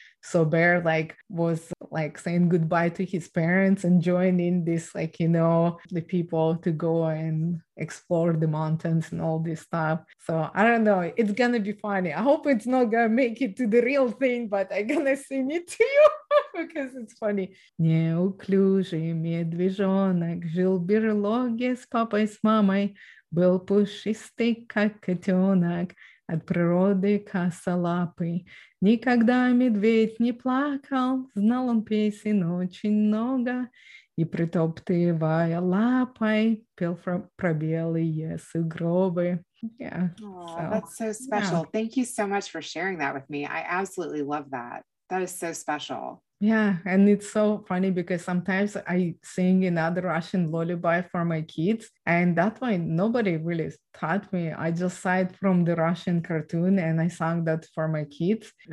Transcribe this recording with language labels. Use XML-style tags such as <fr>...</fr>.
<en>So bear like was like saying goodbye to his parents and joining this, like, you know, the people to go and explore the mountains and all this stuff. So I don't know. It's going to be funny. I hope it's not going to make it to the real thing, but I'm going to sing it to you because it's funny.</en> <ru>Неуклюжий медвежонок жил в берлоге с папой, с мамой. Был пушистый, как котенок, от природы косолапый. Никогда медведь не плакал, знал он песен очень много, и притоптывая лапой пел про белые сугробы.</ru> <en>Yeah. Oh, so, that's so special. Yeah. Thank you so much for sharing that with me. I absolutely love that. That is so special. Yeah, and it's so funny because sometimes I sing another Russian lullaby for my kids, and that way nobody really taught me. I just saw it from the Russian cartoon and I sang that for my kids.</en>